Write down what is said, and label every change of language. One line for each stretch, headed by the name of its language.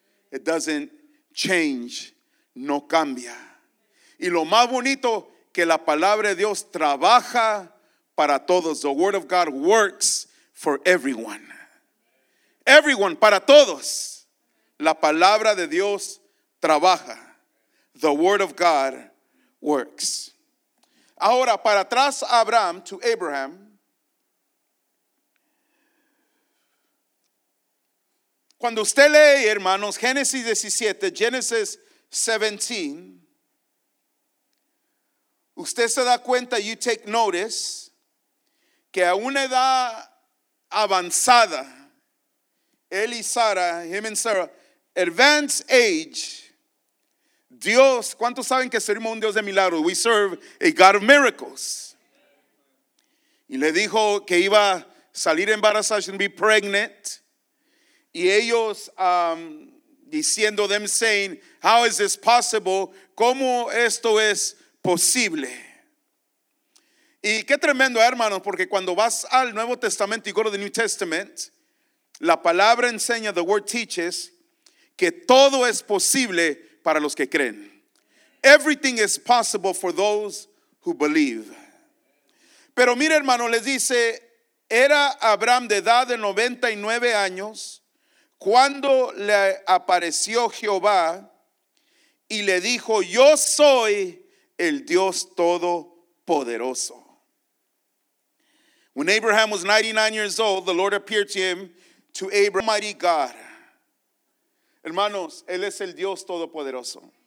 English: It doesn't change,
Spanish: no cambia. Y lo más bonito, que la palabra de Dios trabaja para todos.
English: The word of God works for everyone. Everyone,
Spanish: para todos. La palabra de Dios trabaja.
English: The word of God works.
Spanish: Ahora, para atrás
English: Abraham, to Abraham.
Spanish: Cuando usted lee, hermanos, Génesis 17, Genesis 17. Usted se da cuenta,
English: you take notice,
Spanish: que a una edad avanzada, él y Sara,
English: him and Sarah, advanced age,
Spanish: Dios, ¿cuántos saben que servimos a un Dios de milagros?
English: We serve a God of miracles.
Spanish: Y le dijo que iba a salir embarazada,
English: she'd be pregnant.
Spanish: Y ellos diciendo,
English: them saying, how is this possible?
Spanish: ¿Cómo esto es posible? Y qué tremendo, hermanos, porque cuando vas al Nuevo Testamento,
English: you go to the New Testament,
Spanish: la palabra enseña,
English: the word teaches,
Spanish: que todo es posible para los que creen.
English: Everything is possible for those who believe.
Spanish: Pero mira, hermano, les dice, era Abraham de edad de 99 años cuando le apareció Jehová y le dijo, yo soy el Dios Todopoderoso.
English: When Abraham was 99 years old, the Lord appeared to him, to Abraham, Almighty God.
Spanish: Hermanos, Él es el Dios Todopoderoso.